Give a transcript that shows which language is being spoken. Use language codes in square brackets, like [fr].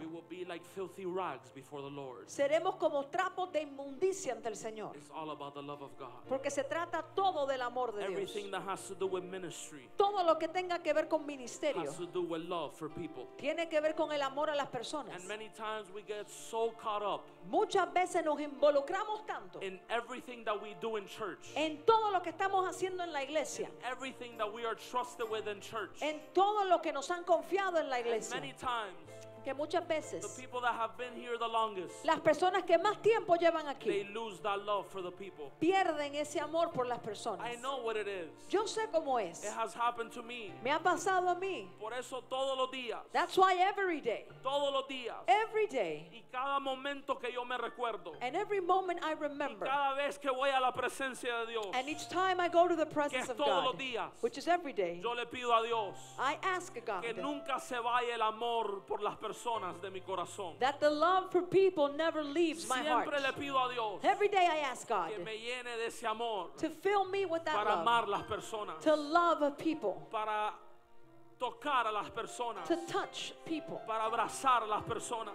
[en] We will be like filthy rags before the Lord. [es] Seremos como trapos de inmundicia ante el Señor. [en] It's all about the love of God. [es] Porque se trata todo del amor de [en] everything That has to do with ministry, [es] todo lo que tenga que ver con ministerio. [en] Has to do with love for people. [es] Tiene que ver con el amor a las personas. [en] And many times we get so caught up, [es] muchas veces nos involucramos tanto. [en] In everything that we do in church. [es] En todo lo que estamos haciendo en la iglesia. [en] In everything that we are trusted with in church. [es] En todo lo que nos han confiado en la iglesia. [en] And many times, [es] que muchas veces, [en] the people that have been here the longest, [es] las personas que más tiempo llevan aquí, [en] they lose that love for the people. [es] Pierden ese amor por las personas. [en] I know what it is. [es] Yo sé cómo es. [en] It has happened to me. [es] Me ha pasado a mí. Por eso todos los días. [en] That's why every day. [es] Todos los días. [en] Every day. [es] Y cada momento que yo me recuerdo. [en] And every moment I remember. [es] Y cada vez que voy a la presencia de Dios. [en] And each time I go to the presence [es] que es [en] of God. [es] Todos los días. [en] Which is every day. [es] Yo le pido a Dios. [en] I ask God. [es] Que nunca se vaya el amor por las personas. [en] That the love for people never leaves my heart. [es] Siempre le pido a Dios. [en] Every day I ask God [es] que me llene de ese amor. [en] To fill me with that [es] para [en] love. [es] Amar las personas. [en] To love people. [es] Para tocar a las personas. [en] To touch people. [es] Para abrazar a las personas.